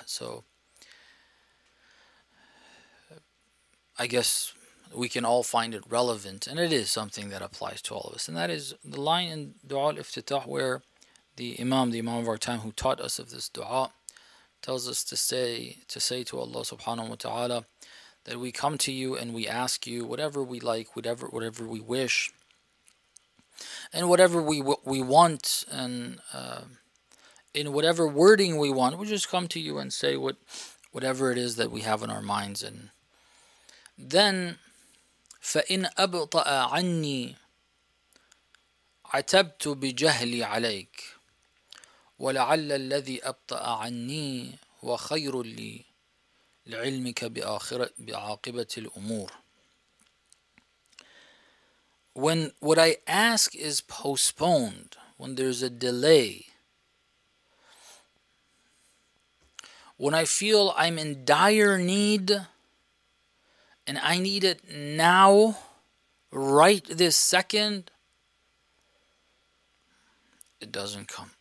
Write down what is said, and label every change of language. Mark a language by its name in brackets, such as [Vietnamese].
[English] So I guess we can all find it relevant, and it is something that applies to all of us, and that is the line in Dua Iftitah where the Imam of our time who taught us of this dua tells us to say to Allah subhanahu wa ta'ala that we come to you and we ask you whatever we like, whatever we wish, and whatever we want, and in whatever wording we want, we just come to you and say whatever it is that we have in our minds. And then [Arabic] فَإِنْ أَبْطَأَ عَنِّي عَتَبْتُ بِجَهْلِ عَلَيْكَ وَلَعَلَّ الَّذِي أَبْطَأَ عَنِّي هُوَ خَيْرٌ لِي لِعِلْمِكَ بِعَاقِبَةِ الْأُمُورِ. [English] When what I ask is postponed, when there's a delay, when I feel I'm in dire need, and I need it now, right this second, it doesn't come.